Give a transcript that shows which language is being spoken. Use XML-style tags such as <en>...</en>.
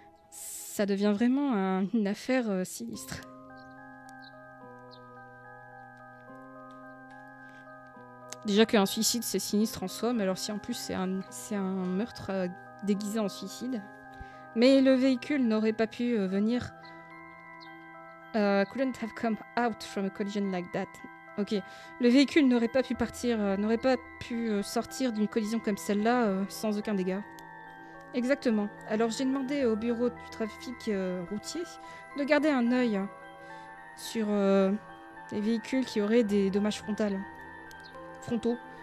<fr>Ça devient vraiment une affaire sinistre. Déjà qu'un suicide, c'est sinistre en soi, mais alors si en plus c'est un meurtre déguisé en suicide. Mais le véhicule n'aurait pas pu venir.</fr> <en>Couldn't have come out from a collision like that.</en> <fr>Ok. Le véhicule n'aurait pas pu partir, n'aurait pas pu sortir d'une collision comme celle-là sans aucun dégât. Exactement. Alors j'ai demandé au bureau du trafic routier de garder un œil sur les véhicules qui auraient des dommages frontaux.</fr>